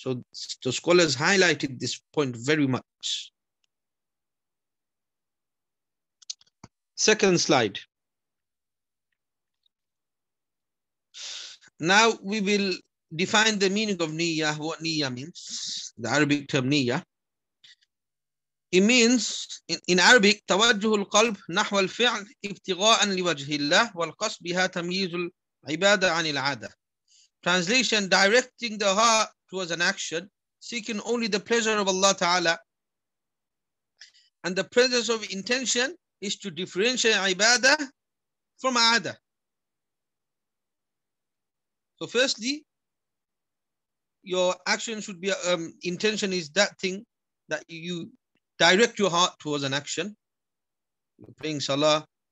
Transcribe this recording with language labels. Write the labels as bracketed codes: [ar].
[en] So the scholars highlighted this point very much. Second slide. Now we will define the meaning of niyyah, what niyyah means, the Arabic term niyyah. It means, in Arabic, [ar] توجه القلب نحو الفعل ابتغاء لوجه الله والقصد بها تمييز العبادة عن العادة. [en] Translation, directing the heart towards an action, seeking only the pleasure of Allah Ta'ala. And the presence of intention is to differentiate ibadah from adah. So firstly, your action should be, intention is that thing that you direct your heart towards an action. You're praying salah.